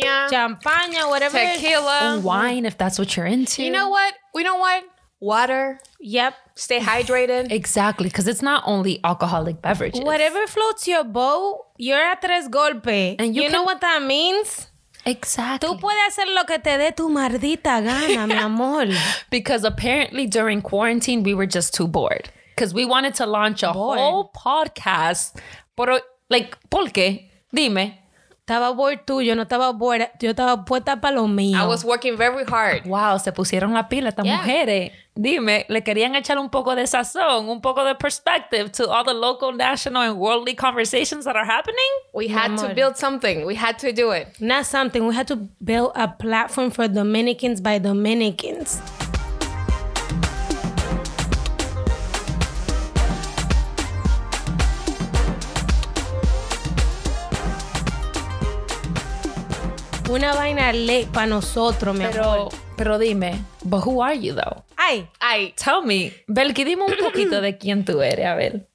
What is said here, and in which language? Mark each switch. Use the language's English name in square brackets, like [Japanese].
[Spanish] Champaña, [English] whatever. Tequila. Wine, if that's what you're into. You know what? We don't want water. Yep. Stay hydrated. Exactly, because it's not only alcoholic beverages. Whatever floats your boat, you're a tres golpe. And you know what that means? Exactly. [Spanish] Tú puedes hacer lo que te dé tu mardita gana, mi amor. [English] Because apparently during quarantine, we were just too bored. Because we wanted to launch a whole podcast, but... [Spanish] Like, ¿por qué? Dime. Estaba bored tú, yo no estaba bored. Yo estaba puesta para lo mío. [English] I was working very hard. [Spanish] Wow, se pusieron la pila estas mujeres. [English] Dime, le querían echar un poco de sazón, un poco de perspective to all the local, national, and worldly conversations that are happening? We had to build something. We had to do it. Not something. We had to build a platform for Dominicans by Dominicans. [Spanish] Una vaina ley para nosotros, mi amor. [English] Pero dime, but who are you, though? Ay. Tell me. [Spanish] Belki, dime un poquito de quién tú eres, a ver.